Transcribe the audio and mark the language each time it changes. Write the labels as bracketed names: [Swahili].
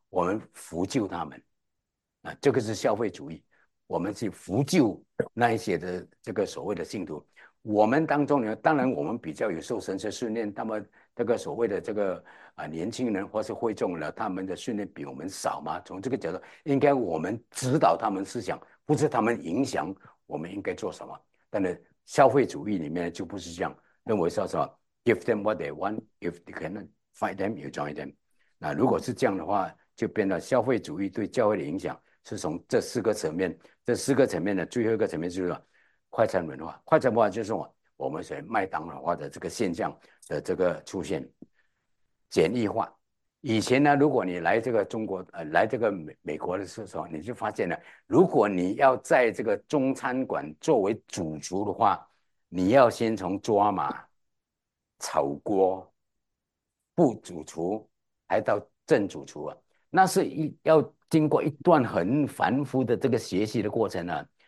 [Chinese] 我们扶救他们，啊，这个是消费主义，我们去扶救那一些的这个所谓的信徒。我们当中呢，当然我们比较有受神学训练，那么这个所谓的这个年轻人或是会众呢，他们的训练比我们少嘛。从这个角度，应该我们指导他们思想，不是他们影响我们应该做什么。但是消费主义里面就不是这样，认为说什么 [English] give them what they want, if they cannot find them, you join them。 [Chinese] 那如果是这样的话，就变得消费主义对教会的影响是从这四个层面，这四个层面的最后一个层面就是说，快餐文化，快餐文化就是我们所谓麦当劳化的这个现象的这个出现，简易化。以前呢，如果你来这个中国，来这个美国的时候，你就发现了，如果你要在这个中餐馆作为主厨的话，你要先从抓马、炒锅、副主厨，还到正主厨啊，那是要经过一段很繁复的这个学习的过程啊。